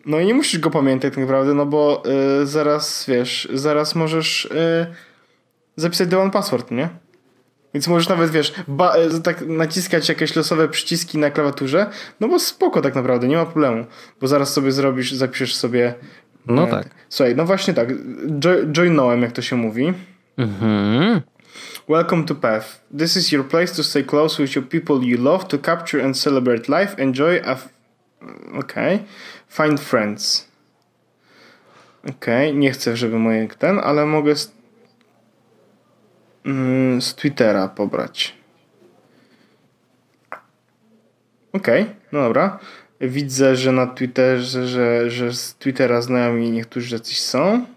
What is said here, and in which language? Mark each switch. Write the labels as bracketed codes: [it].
[pl] No i nie musisz go pamiętać tak naprawdę, no bo zaraz, wiesz, zaraz możesz zapisać do 1Password, nie? Więc możesz nawet, wiesz, tak naciskać jakieś losowe przyciski na klawiaturze, no bo spoko tak naprawdę, nie ma problemu, bo zaraz sobie zrobisz, zapiszesz sobie... No tak. Słuchaj, no właśnie tak, joinąłem, jak to się mówi. Mhm. [en] Welcome to PATH. This is your place to stay close with your people you love, to capture and celebrate life, enjoy a... [pl] Okej. Okay. [en] Find friends. [pl] Okej, okay. Nie chcę, żeby moje ten, ale mogę... z Twittera pobrać. Okej, okay, no dobra. Widzę, że na Twitterze, że z Twittera znajomi niektórzy jacyś są.